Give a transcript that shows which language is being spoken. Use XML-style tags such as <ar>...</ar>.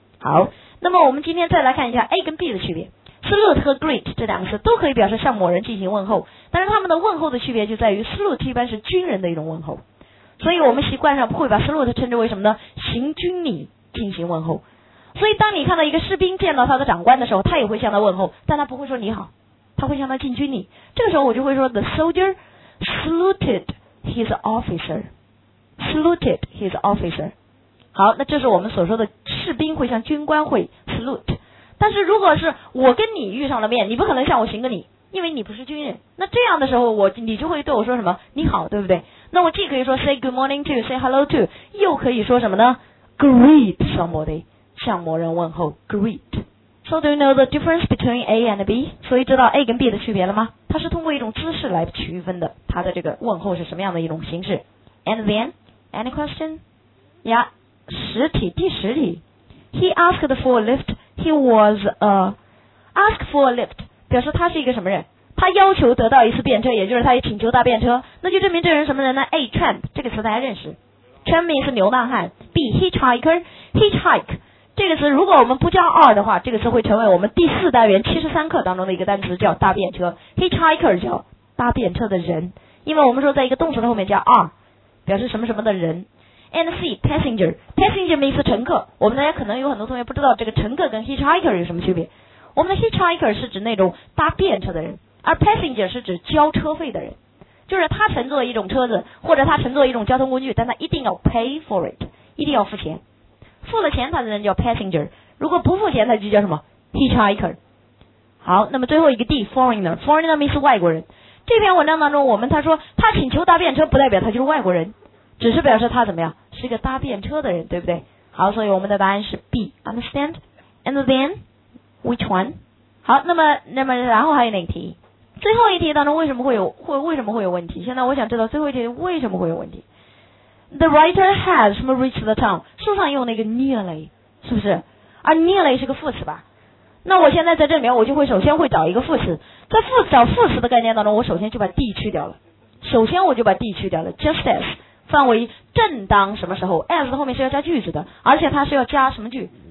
<zh>好，那么我们今天再来看一下 A 跟 B 的区别。Salute 和 greet 这两个词都可以表示向某人进行问候，但是他们的问候的区别就在于 salute 一般是军人的一种问候，所以我们习惯上会把 salute 称之为什么呢？行军礼，即行问候。所以当你看到一个士兵见到他的长官的时候，他也会向他问候，但他不会说你好，他会向他敬军礼。这个时候我就会说</zh> <en>The soldier saluted his officer. Saluted his officer.</en> <zh>好，那这是我们所说的士兵会向军官会 salute。但是如果是我跟你遇上了面，你不可能向我行个礼，因为你不是军人。那这样的时候你就会对我说什么，你好，对不对？那我既可以说</zh> <en>say good morning to, say hello to,</en> <zh>又可以说什么呢？</zh> <en>Greet somebody,</en> <zh>向某人问候， greet。</zh> <en>So do you know the difference between A and B?</en> <zh>所以知道 A 跟 B 的区别了吗？它是通过一种姿势来区分的，它的这个问候是什么样的一种形式。</zh> <en>And then, any question? Yeah,</en> <zh>实体，第十体。</zh> <en>He asked for a lift,</en> <zh>he was a, ask for a lift,表示他是一个什么人，他要求得到一次便车，也就是他也请求搭便车，那就证明这人什么人呢？ A tramp, 这个词大家认识， tramp 是流浪汉。B hitchhiker, hitchhike 这个词如果我们不教二的话，这个词会成为我们第四单元73课当中的一个单词，叫搭便车。 hitchhiker 叫搭便车的人，因为我们说在一个动词的后面叫 are, 表示什么什么的人。</zh> <en>And C passenger, passenger</en> <zh>意思乘客。我们大家可能有很多同学不知道这个乘客跟 hitchhiker 有什么区别，我们的 hitchhiker 是指那种搭便车的人，而 passenger 是指交车费的人，就是他乘坐一种车子或者他乘坐一种交通工具，但他一定要 pay for it, 一定要付钱，付了钱他的人叫 passenger, 如果不付钱他就叫什么 hitchhiker。好，那么最后一个 D foreigner, foreigner means 外国人。这篇文章当中我们他说他请求搭便车不代表他就是外国人，只是表示他怎么样，是个搭便车的人，对不对？好，所以我们的答案是 B, understand?</zh> <en>And thenWhich one?</en> <zh>好，那么然后还有哪题？最后一题当中为什么会有问题？现在我想知道最后一题为什么会有问题。</zh> <en>The writer has</en> <zh>什么</zh> <en>reached the town?</en> <zh>书上用那个 nearly, 是不是？而 nearly 是个副词吧？那我现在在这里面，我就会首先会找一个副词，在副找副词的概念当中，我首先就把 D 去掉了。首先我就把 D 去掉了 ，just as 范围正当什么时候 ？as 后面是要加句子的，而且它是要加什么句？</zh>